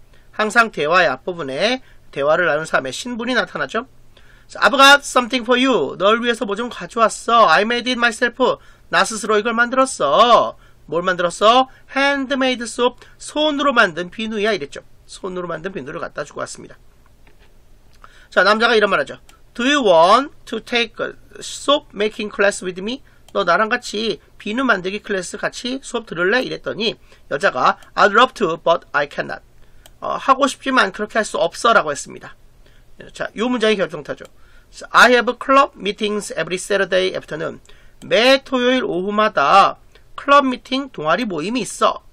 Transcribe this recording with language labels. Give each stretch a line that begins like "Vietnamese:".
Korean: 항상 대화의 앞부분에 대화를 나눈 사람의 신분이 나타나죠.
English: So, I've got something for you.
Korean: 널 위해서 뭐 좀 가져왔어.
English: I made it myself.
Korean: 나 스스로 이걸 만들었어. 뭘 만들었어?
English: Handmade soap.
Korean: 손으로 만든 비누야 이랬죠. 손으로 만든 비누를 갖다 주고 왔습니다. 자, 남자가 이런 말 하죠.
English: Do you want to take soap making class with me?
Korean: 너 나랑 같이 비누 만들기 클래스 같이 수업 들을래? 이랬더니 여자가
English: I'd love to but I cannot.
Korean: 하고 싶지만 그렇게 할 수 없어 라고 했습니다. 자, 요 문장이 결정타죠.
English: So, I have club meetings every Saturday afternoon.
Korean: 매 토요일 오후마다 클럽 미팅 동아리 모임이 있어.